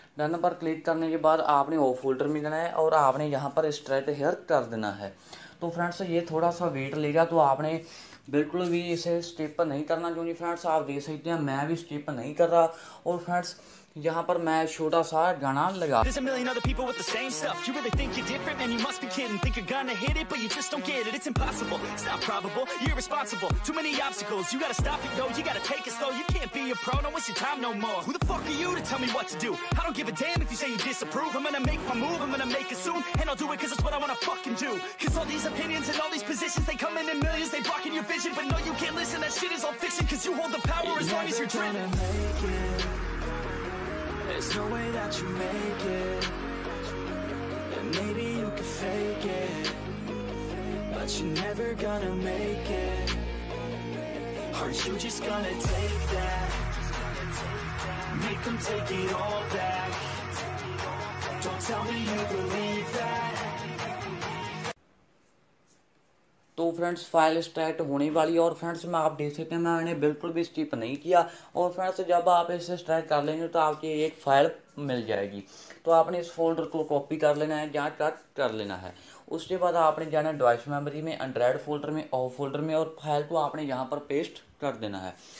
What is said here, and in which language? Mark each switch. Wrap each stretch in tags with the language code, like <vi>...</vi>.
<hi>Done पर click करने के बाद आपने ऑफ फोल्डर में जाना है और आपने यहाँ पर स्ट्रेट हेयर कर देना है। तो फ्रेंड्स ये थोड़ा सा वेट लेगा, तो आपने बिल्कुल भी इसे स्किप नहीं करना, क्योंकि फ्रेंड्स आप देख सकते हैं मैं भी स्किप नहीं कर रहा। और फ्रेंड्स यहाँ पर मैं छोटा सा गाना लगा।</hi> <en>There's a million other people with the same stuff. You really think you're different, man? You must be kidding. Think you're gonna hit it, but you just don't get it. It's impossible. It's not probable. You're irresponsible. Too many obstacles. You gotta stop it, yo. You gotta take it slow. You can't be a pro. Don't waste your time no more. Who the fuck are you to tell me what to do? I don't give a damn if you say you disapprove. I'm gonna make my move. I'm gonna make it soon, and I'll do it 'cause it's what I wanna fucking do. 'Cause all these opinions and all these positions, they come in millions. They blocking your vision, but no, you can't listen. That shit is all fiction. 'Cause you hold the power as long as you're dreaming. You're never gonna make it. There's no way that you make it. And maybe you can fake it, but you're never gonna make it. Are you just gonna take that? Make them take it all back. Don't tell me you believe that.</en> <hi>तो friends file extract होने वाली है और friends मैं आप देख सकते हैं मैंने बिल्कुल भी स्किप नहीं किया। और फ्रेंड्स जब आप इसे एक्सट्रैक्ट कर लेंगे तो आपकी एक फाइल मिल जाएगी। तो आपने इस फोल्डर को कॉपी कर लेना है या कट कर लेना है। उसके बाद आपने जाना है डिवाइस मेमोरी में, एंड्रॉयड फोल्डर में, ऑफ फोल्डर में और फाइल को आपने यहाँ पर पेस्ट कर देना है।</hi>